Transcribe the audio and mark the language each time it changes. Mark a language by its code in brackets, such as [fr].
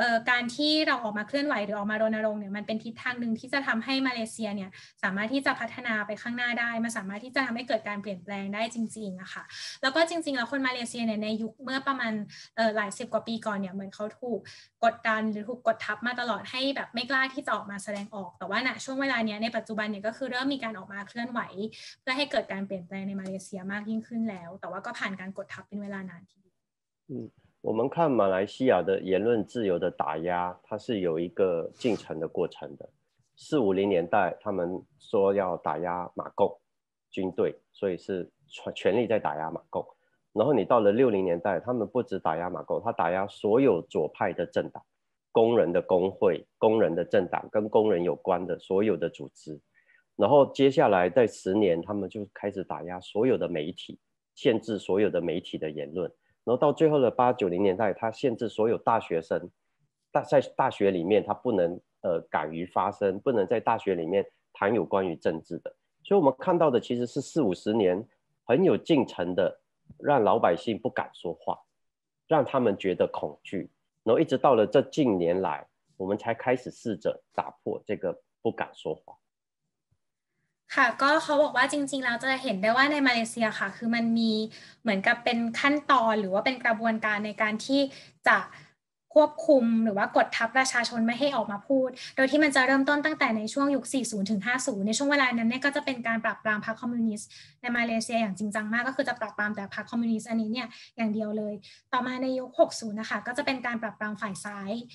[th] การที่เราออกมาเคลื่อนไหวหรือออกมารณรงค์เนี่ยมันเป็นทิศทางหนึ่งที่จะทำให้มาเลเซียเนี่ยสามารถที่จะพัฒนาไปข้างหน้าได้มันสามารถที่จะทำให้เกิดการเปลี่ยนแปลงได้จริงๆอะค่ะแล้วก็จริงๆแล้วคนมาเลเซียเนี่ยในยุคเมื่อประมาณหลายสิบกว่าปีก่อนเนี่ยเหมือนเขาถูกกดดันหรือถูกกดทับมาตลอดให้แบบไม่กล้าที่จะออกมาแสดงออกแต่ว่าณช่วงเวลาเนี้ยในปัจจุบันเนี่ยก็คือเริ่มมีการออกมาเคลื่อนไหวเพื่อให้เกิดการเปลี่ยนแปลงในมาเลเซียมากยิ่งขึ้นแล้วแต่ว่าก็ผ่านการกดทับเป็นเวลานานทีเดียว [zh] 我们看马来西亚的言论自由的打压，它是有一个进程的过程的。四五零年代，他们说要打压马共军队，所以是全力在打压马共。然后你到了六零年代，他们不止打压马共，他打压所有左派的政党、工人的工会、工人的政党跟工人有关的所有的组织。然后接下来在十年，他们就开始打压所有的媒体，限制所有的媒体的言论。然后到最后的八九零年代，他限制所有大学生，在大学里面他不能敢于发声，不能在大学里面谈有关于政治的。所以我们看到的其实是四五十年很有进程的，让老百姓不敢说话，让他们觉得恐惧。然后一直到了这近年来，我们才开始试着打破这个不敢说话。 [th] ค่ะก็เขาบอกว่าจริงๆแล้วจะเห็นได้ว่าในมาเลเซียค่ะคือมันมีเหมือนกับเป็นขั้นตอนหรือว่าเป็นกระบวนการในการที่จะควบคุมหรือว่ากดทับประชาชนไม่ให้ออกมาพูดโดยที่มันจะเริ่มต้นตั้งแต่ในช่วงยุค40ถึง50ในช่วงเวลานั้นเนี่ยก็จะเป็นการปราบปรามพรรคคอมมิวนิสต์ในมาเลเซียอย่างจริงจังมากก็คือจะปราบปรามแต่พรรคคอมมิวนิสต์อันนี้เนี่ยอย่างเดียวเลยต่อมาในยุค60นะคะก็จะเป็นการปราบปรามฝ่ายซ้าย